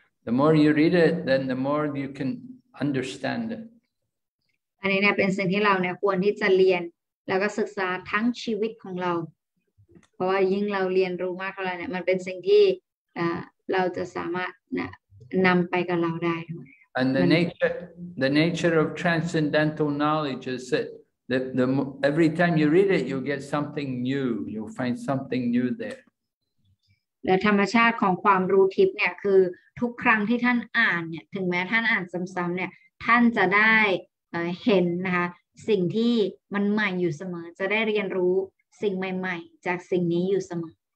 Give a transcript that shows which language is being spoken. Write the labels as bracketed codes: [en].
[en] The more you read it, then the more you can understand it. [th] อันนี้เนี่ยเป็นสิ่งที่เราเนี่ยควรที่จะเรียนแล้วก็ศึกษาทั้งชีวิตของเราเพราะว่ายิ่งเราเรียนรู้มากเท่าไหร่เนี่ยมันเป็นสิ่งที่เราจะสามารถนำไปกับเราได้ด้วย [en] And the nature of transcendental knowledge is that the every time you read it you get something new you find something new there [th] และธรรมชาติของความรู้ทิพย์เนี่ยคือทุกครั้งที่ท่านอ่านเนี่ยถึงแม้ท่านอ่านซ้ำๆเนี่ยท่านจะได้เห็นนะคะสิ่งที่มันใหม่อยู่เสมอจะได้เรียนรู้สิ่งใหม่ๆจากสิ่งนี้อยู่เสมอ